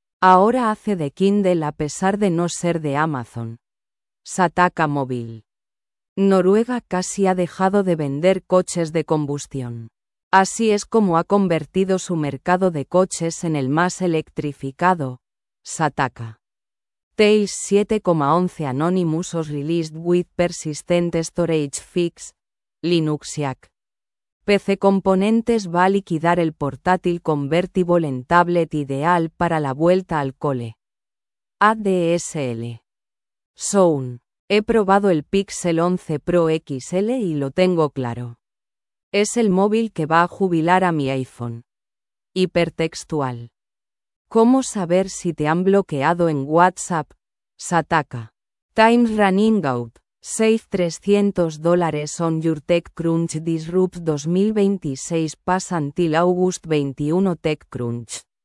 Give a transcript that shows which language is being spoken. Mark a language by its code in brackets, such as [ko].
[es] Ahora hace de Kindle a pesar de no ser de Amazon. Sataka móvil. Noruega casi ha dejado de vender coches de combustión. Así es como ha convertido su mercado de coches en el más electrificado. Sataka. [en] Tails 7,11 Anonymous was released with persistent storage fix. [es] Linuxiac. PC Componentes va a liquidar el portátil convertible en tablet ideal para la vuelta al cole. ADSL. Zone. He probado el Pixel 11 Pro XL y lo tengo claro. Es el móvil que va a jubilar a mi iPhone. Hipertextual. ¿Cómo saber si te han bloqueado en WhatsApp? [en] Sataka. Time running out. Save $300 on your TechCrunch Disrupt 2026 pass until August 21 TechCrunch.